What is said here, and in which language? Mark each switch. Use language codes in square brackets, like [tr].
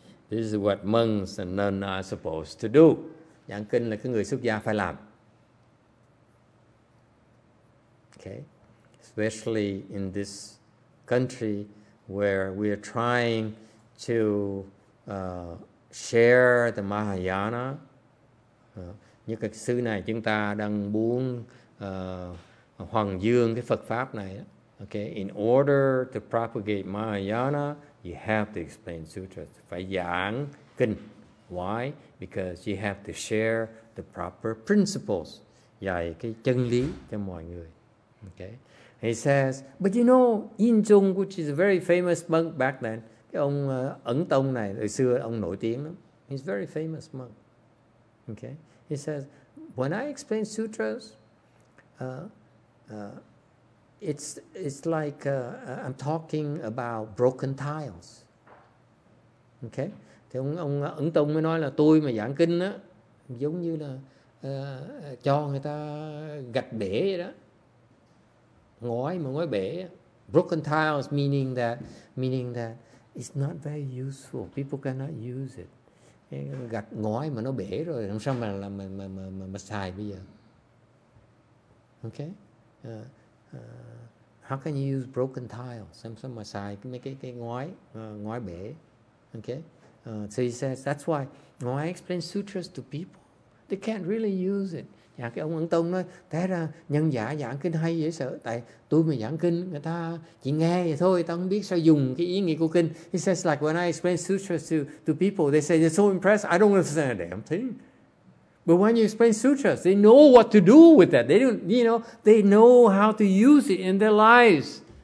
[en] This is what monks and nuns are supposed to do. [vi] Giảng kinh là cái người xuất gia phải làm. [en] Okay. Especially in this country where we are trying to share the Mahayana. [vi] Như các sư này, chúng ta đang muốn hoằng dương cái Phật Pháp này. Okay. [en] In order to propagate Mahayana, you have to explain sutras. [vi] Phải giảng kinh. [en] Why? Because you have to share the proper principles. [vi] Dạy cái chân lý cho mọi người. [en] Okay. He says, but you know, Yin Zung, which is a very famous monk back then, [vi] cái ông Ấn Tông này, hồi xưa ông nổi tiếng lắm. [en] He's a very famous monk. Okay. He says, when I explain sutras, it's like I'm talking about broken tiles. Okay? [vi] Thì ông Ấn Tông mới nói là tôi mà giảng kinh á, giống như là cho người ta gạch bể vậy đó. Ngói mà ngói bể. [en] Broken tiles meaning that it's not very useful. People cannot use it. [vi] Gạch ngói mà nó bể rồi làm sao mà xài bây giờ. [en] Okay. How can you use broken tiles? [vi] Làm sao mà xài cái ngói ngói bể. Okay. [en] So he says that's why when I explain sutras to people, they can't really use it. [vi] Dạ, cái ông Ấn Tông nói thế ra nhân giả giảng kinh hay dễ sợ, tại tôi mà giảng kinh người ta chỉ nghe vậy thôi, ta không biết sao dùng cái ý nghĩa của kinh. [en] He says like when I explain sutras to people, they say they're so impressed, I don't understand a damn thing. But when you explain sutras, they know what to do with that. They know how to use it in their lives.